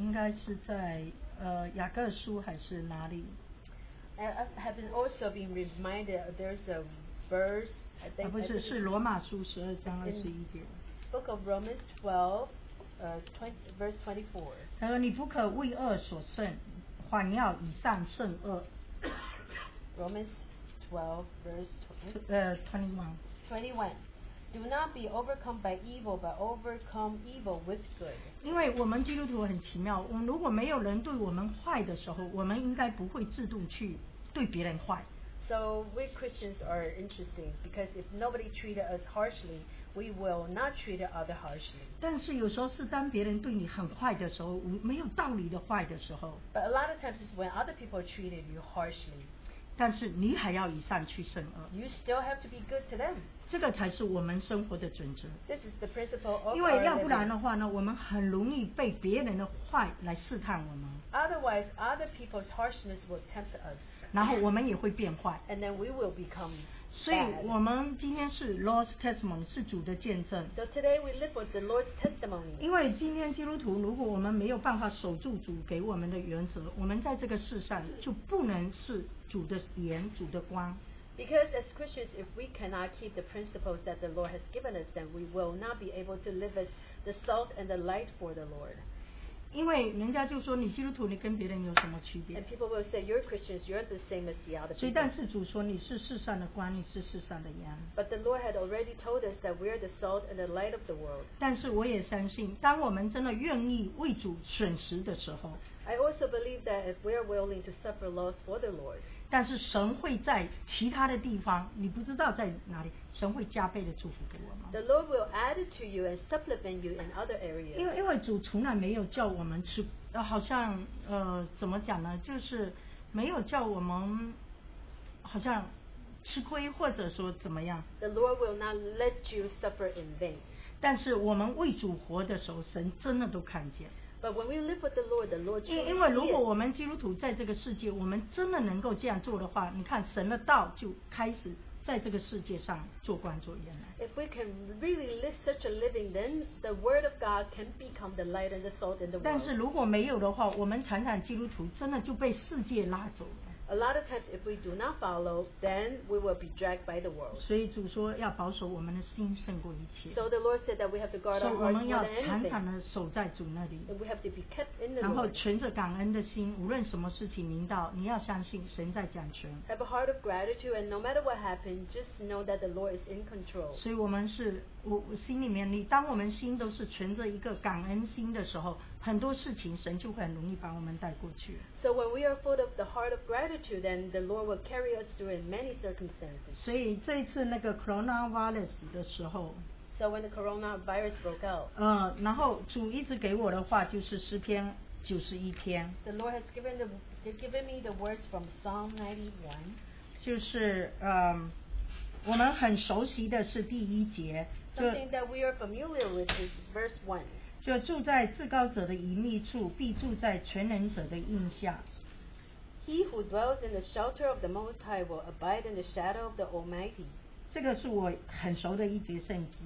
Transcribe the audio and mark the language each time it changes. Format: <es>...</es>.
<zh>因为我是觉得，如果因为我常常记得有一句话是，应该是在雅各书还是哪里？</zh> <en>I have also been reminded there's a verse. I think</en> <zh>不是，是罗马书十二章二十一节。</zh> <en>Book of Romans 12, verse 24.</en> <zh>他说：“你不可为恶所胜，反要以善胜恶。”</zh> <en>Romans 12 verse 21. Do not be overcome by evil, but overcome evil with good.</en> <zh>因为我们基督徒很奇妙，我们如果没有人对我们坏的时候，我们应该不会自动去对别人坏。</zh> <en>So we Christians are interesting because if nobody treated us harshly, we will not treat other harshly.</en> <zh>但是有时候是当别人对你很坏的时候，没有道理的坏的时候。</zh> <en>But a lot of times it's when other people treated you harshly.</en> <zh>但是你还要以善去胜恶。</zh> <en>You still have to be good to them.</en> <zh>这个才是我们生活的准则。</zh> <en>This is the principle of our living.</en> <zh>因为要不然的话呢，我们很容易被别人的坏来试探我们。</zh> <en>Otherwise, other people's harshness will tempt us.</en> <zh>然后我们也会变坏。</zh> <en>And then we will become bad.</en> <zh>所以我们今天是</zh> <en>Lord's testimony,</en> <zh>是主的见证。</zh> <en>So today we live with the Lord's testimony.</en> <zh>因为今天基督徒，如果我们没有办法守住主给我们的原则，我们在这个世上就不能是主的盐、主的光。</zh> <en>Because as Christians, if we cannot keep the principles that the Lord has given us, then we will not be able to live as the salt and the light for the Lord.</en> <zh>因为人家就说你基督徒，你跟别人有什么区别？</zh> <en>And people will say, you're Christians, you're the same as the other people.</en> <zh>所以但是主说你是世上的光，你是世上的盐。</zh> <en>But the Lord had already told us that we are the salt and the light of the world.</en> <zh>但是我也相信，当我们真的愿意为主损失的时候，</zh> <en>I also believe that if we are willing to suffer loss for the Lord,</en> <zh>但是神会在其他的地方，你不知道在哪里，神会加倍的祝福给我们。</zh> <en>The Lord will add it to you and supplement you in other areas.</en> <zh>因为主从来没有叫我们吃，好像怎么讲呢？就是没有叫我们好像吃亏或者说怎么样。</zh> <en>The Lord will not let you suffer in vain.</en> <zh>但是我们为主活的时候，神真的都看见。</zh> <en>But when we live with the Lord, the Lord shows us.</en> <zh>因为如果我们基督徒在这个世界，我们真的能够这样做的话，你看神的道就开始在这个世界上做光做盐了。</zh> <en>If we can really live such a living, then the Word of God can become the light and the salt in the world.</en> <zh>但是如果没有的话，我们常常基督徒真的就被世界拉走了。</zh> <en>A lot of times, if we do not follow, then we will be dragged by the world.</en> <zh>所以主说要保守我们的心胜过一切。</zh> <en>So the Lord said that we have to guard our hearts more than anything.</en> <zh>所以我们要常常的守在主那里。</zh> <en>And we have to be kept in the Lord.</en> <zh>然后存着感恩的心，无论什么事情临到，你要相信神在掌权。</zh> <en>Have a heart of gratitude, and no matter what happens, just know that the Lord is in control.</en> <zh>所以我们是我心里面，你当我们心都是存着一个感恩心的时候，很多事情神就会很容易把我们带过去。</zh> <en>So when we are full of the heart of gratitude, then the Lord will carry us through in many circumstances.</en> <zh>所以这一次那个 coronavirus 的时候，</zh> <en>So when the coronavirus broke out,</en> <zh>然后主一直给我的话就是诗篇九十一篇。</zh> <en>The Lord has given me the words from Psalm 91.</en> <zh>就是我们很熟悉的是第一节。</zh> <en>Something that we are familiar with is verse 1.</en> <zh>就住在至高者的隐密处，必住在全能者的荫下。</zh> <en>He who dwells in the shelter of the Most High will abide in the shadow of the Almighty.</en> <zh>这个是我很熟的一节圣经。</zh>